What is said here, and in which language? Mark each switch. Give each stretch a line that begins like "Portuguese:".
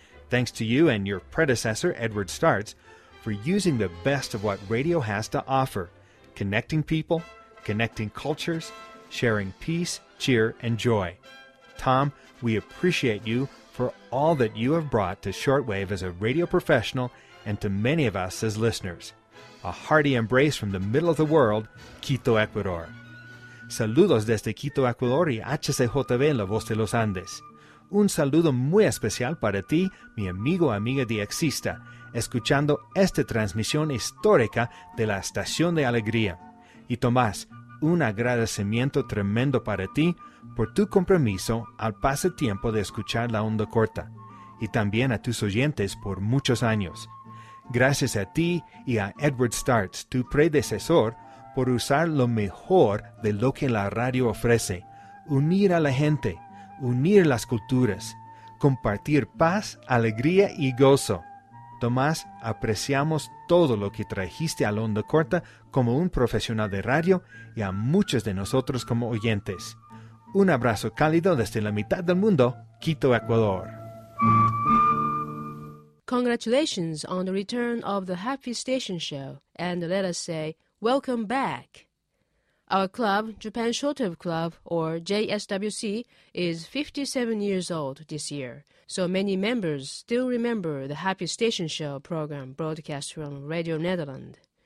English: Thanks to you and your predecessor, Edward Starts, for using the best of what radio has to offer, connecting people, connecting cultures, sharing peace, cheer, and joy. Tom, we appreciate you for all that you have brought to shortwave as a radio professional and to many of us as listeners. A hearty embrace from the middle of the world, Quito, Ecuador.
Spanish: Saludos desde Quito, Ecuador y HCJB en la voz de los Andes. Un saludo muy especial para ti, mi amigo, amiga DXista, escuchando esta transmisión histórica de la Estación de Alegría. Y Tomás, un agradecimiento tremendo para ti por tu compromiso al paso tiempo de escuchar la onda corta, y también a tus oyentes por muchos años. Gracias a ti y a Edward Starts, tu predecesor, por usar lo mejor de lo que la radio ofrece, unir a la gente, unir las culturas, compartir paz, alegría y gozo. Tomás, apreciamos todo lo que trajiste a la onda corta como un profesional de radio y a muchos de nosotros como oyentes. Un abrazo cálido desde la mitad del mundo, Quito, Ecuador.
English: Congratulations on the return of the Happy Station Show, and let us say, welcome back. Our club, Japan Shortwave Club, or JSWC, is 57 years old this year, so many members still remember the Happy Station Show program broadcast from Radio Netherlands.